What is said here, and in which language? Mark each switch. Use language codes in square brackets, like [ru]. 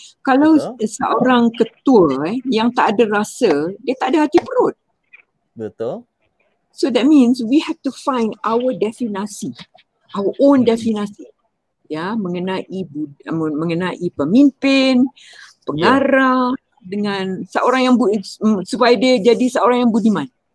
[ms] Kalau seorang ketua yang tak ada rasa, dia tak ada hati perut. Betul. [en] So that means we have to find our definasi, our own definasi. [ms] Ya, mengenai pemimpin, pengarah, dengan seorang yang supaya dia jadi seorang yang budiman.